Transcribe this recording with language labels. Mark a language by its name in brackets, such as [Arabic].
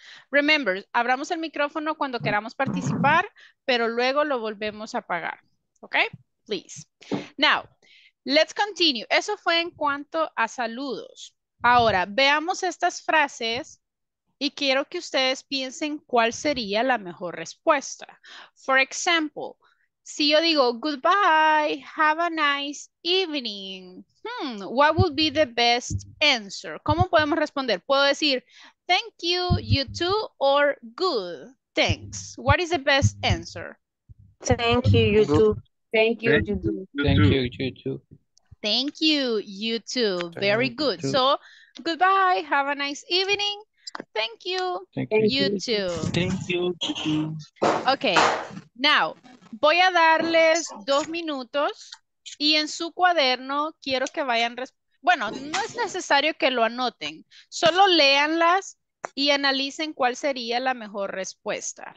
[Spanish] Remember, abramos el micrófono cuando queramos participar, pero luego lo volvemos a apagar. [English] ¿Ok? Please. Now, let's continue. [Spanish] Eso fue en cuanto a saludos. Ahora, veamos estas frases y quiero que ustedes piensen cuál sería la mejor respuesta. [English] For example, [Spanish] si yo digo [English] goodbye, have a nice evening, what would be the best answer? [Spanish] ¿Cómo podemos responder? Puedo decir [English] thank you, you too, or good, thanks. What is the best answer? Thank you, you too. Thank you, you too. Thank you, you too. Thank you, you too. Very good. So, goodbye, have a nice evening. Thank you. Thank you. You too. Thank you. Ok. [Spanish] Now, voy a darles 2 minutos y en su cuaderno quiero que vayan... Bueno, no es necesario que lo anoten. Solo léanlas y analicen cuál sería la mejor respuesta.